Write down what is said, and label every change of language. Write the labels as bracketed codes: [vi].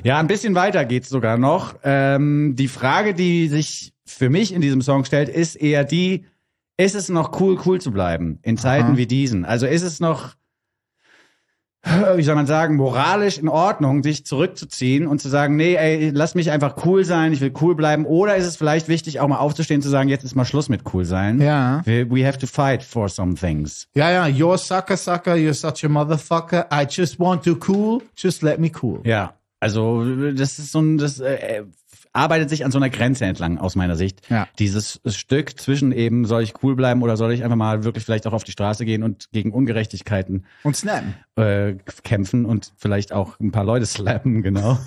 [de] Ja, ein bisschen weiter geht's sogar noch. Die Frage, die sich für mich in diesem Song stellt, ist eher die, ist es noch cool, cool zu bleiben in Zeiten wie diesen? Also ist es noch, wie soll man sagen, moralisch in Ordnung, sich zurückzuziehen und zu sagen, nee, ey, lass mich einfach cool sein, ich will cool bleiben. Oder ist es vielleicht wichtig, auch mal aufzustehen und zu sagen, jetzt ist mal Schluss mit cool sein. Ja. [en] We have to fight for some things. Ja, ja, you're sucker, sucker, you're such a motherfucker. I just want to cool, just let me cool. [de] Ja, also das ist so ein, das arbeitet sich an so einer Grenze entlang, aus meiner Sicht. Ja. Dieses Stück zwischen eben, soll ich cool bleiben oder soll ich einfach mal wirklich vielleicht auch auf die Straße gehen und gegen Ungerechtigkeiten und snappen. Kämpfen und vielleicht auch ein paar Leute slappen, genau.